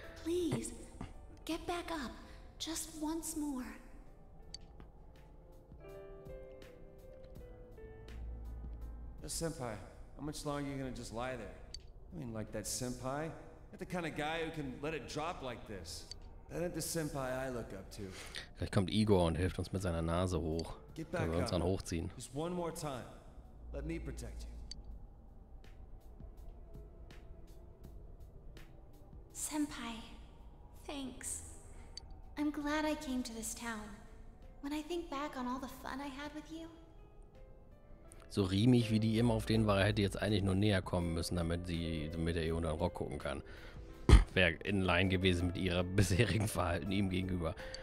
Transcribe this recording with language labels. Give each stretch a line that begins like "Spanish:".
English: Please, get back up, just once more. Senpai, how much longer are you gonna just lie there? I mean, like that senpai? You're the kind of guy who can let it drop like this. That ain't the senpai I look up to.
German: Vielleicht kommt Igor und hilft uns mit seiner Nase hoch.
English: Get back
German: können wir uns dann hochziehen.
English: Just one more time. Let me protect you. Senpai, thanks. I'm glad I came to this town. When I think back on all the fun I had with you.
German: So riemig wie die immer auf denen war, hätte jetzt eigentlich nur näher kommen müssen, damit er ihr unter den Rock gucken kann. Wäre
English: in line
German: gewesen mit ihrem bisherigen Verhalten ihm gegenüber.